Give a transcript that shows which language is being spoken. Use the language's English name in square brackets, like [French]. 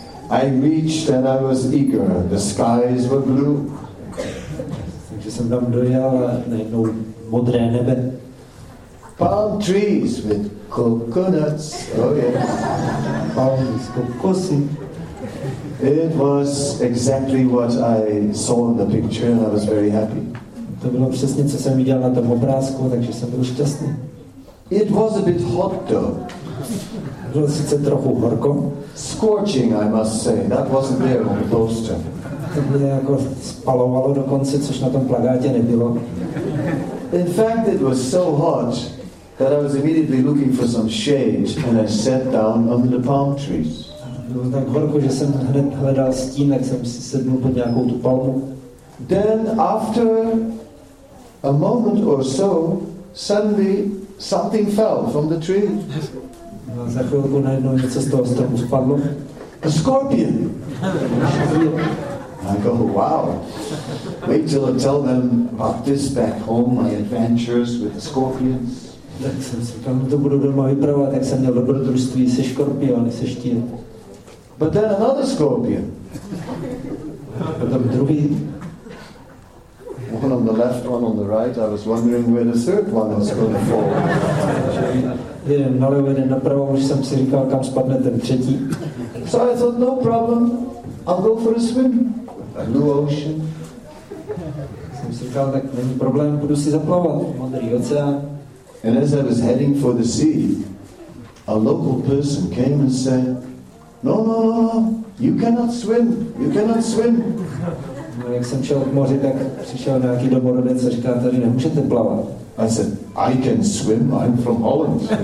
[English] I reached and I was eager. The skies were blue. [Czech] Takže jsem tam dojel a najednou modré nebe. [English] Palm trees with coconuts. Oh yes. Palm trees with coconuts. It was exactly what I saw in the picture and I was very happy. [Czech] To bylo přesně, co jsem viděl na tom obrázku, takže jsem byl šťastný. [English] It was a bit hot though. [Czech] Bylo sice trochu horko. [English] Scorching, I must say. That wasn't there on the poster. [Czech] To bylo jako spalovalo dokonce, což na tom plakátě nebylo. [English] In fact, it was so hot that I was immediately looking for some shade and I sat down under the palm trees. [Czech] Bylo tak horko, že jsem hned hledal stín, tak jsem si sednul pod nějakou tu palmu. [English] Then after a moment or so, suddenly something fell from the tree. [Czech] Za chvilku najednou něco z toho stromu spadlo. [English] A scorpion. I go, wow. Wait till I tell them about this back home, my adventures with the scorpions. [Czech] Tak jsem si tam to budu doma vypravovat, jak jsem měl dobrodružství se škorpiony, se štíny. [English] But then another scorpion. [Czech] Potom druhý. [English] One on the left, one on the right. I was wondering where the third one was going to fall. [Czech] Jeden na levo, jeden na pravo, už jsem si říkal, kam spadne ten třetí. [English] So I thought, no problem, I'll go for a swim. A blue ocean. [Czech] Jsem si říkal, tak není problém, budu si zaplavat v modrý oceán. [English] And as I was heading for the sea, a local person came and said, no, no, no, no, you cannot swim, you cannot swim. [Czech] No, jak jsem šel k moři, tak přišel nějaký domorodec a říkal, tady nemůžete plavat. [English] I said, I can swim, I'm from Holland.